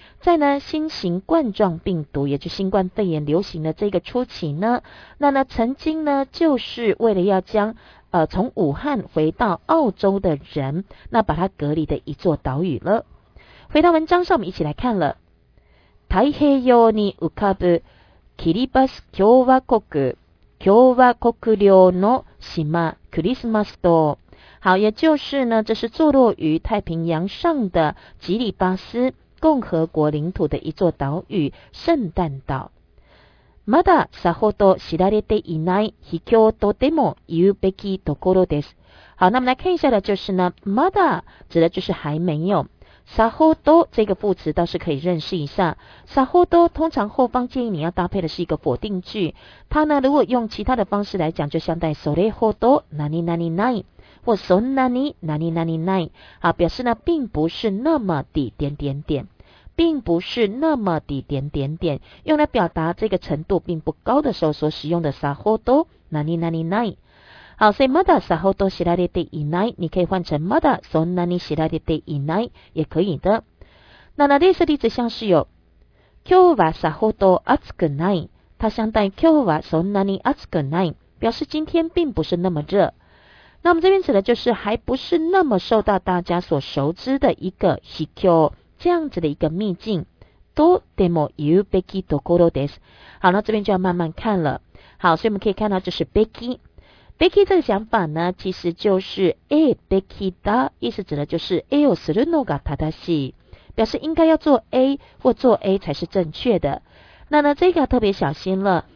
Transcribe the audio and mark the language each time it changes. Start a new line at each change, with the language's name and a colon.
Chinese: 在呢新型冠状病毒，也就是新冠肺炎流行的这个初期呢，那呢曾经呢就是为了要将从武汉回到澳洲的人，那把它隔离的一座岛屿了。回到文章上，我们一起来看了。
Japanese: 太平洋に浮かぶキリバス共和国領の島クリスマス島。
Chinese: 好，也就是呢，这是坐落于太平洋上的吉里巴斯共和国领土的一座岛屿——圣诞岛。
Japanese: まださほど知られていない秘境とでも言うべきところです。
Chinese: 好，那么来看一下的就是呢，まだ指的就是还没有。さほど这个副词倒是可以认识一下。さほど通常后方建议你要搭配的是一个否定句，它呢如果用其他的方式来讲，就相当于それほど何何何或そんなに何何何，好，表示呢并不是那么的点点点，并不是那么的点点点，用来表达这个程度并不高的时候所使用的さほど何何何。好，所以
Japanese: まださほど知られていない，
Chinese: 你可以换成
Japanese: まだそんなに知られていない，
Chinese: 也可以的。那呢，类似例子像是有，
Japanese: 今日はさほど暑くない，
Chinese: 它相当于
Japanese: 今日はそんなに暑くない，
Chinese: 表示今天并不是那么热。那我们这边指的就是还不是那么受到大家所熟知的一个秘境，这样子的一个秘境。
Japanese: どうでも言うべきところです。
Chinese: 好，那这边就要慢慢看了。好，所以我们可以看到就是べき。べき这个想法呢，其实就是えべきだ，意思指的就是
Japanese: えをするのが正しい，
Chinese: 表示应该要做 A 或做 A 才是正确的。那呢，这个要特别小心了，